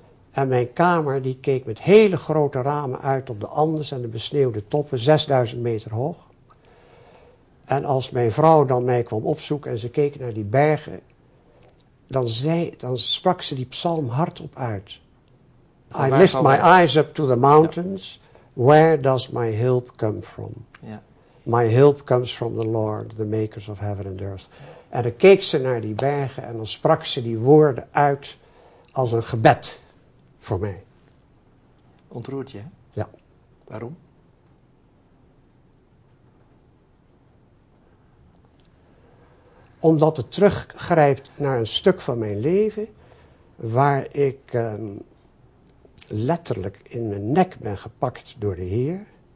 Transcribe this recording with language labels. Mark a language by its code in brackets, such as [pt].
[nl] En mijn kamer die keek met hele grote ramen uit op de Andes en de besneeuwde toppen, 6000 meter hoog. En als mijn vrouw dan mij kwam opzoeken en ze keek naar die bergen, dan sprak ze die psalm hardop uit. [en] I lift my eyes up to the mountains. Ja. Where does my help come from? Ja. My help comes from the Lord, the makers of heaven and earth. [nl] En dan keek ze naar die bergen en dan sprak ze die woorden uit als een gebed voor mij. Ontroert je, hè? Ja. Waarom? Omdat het teruggrijpt naar een stuk van mijn leven waar ik letterlijk in mijn nek ben gepakt door de Heer.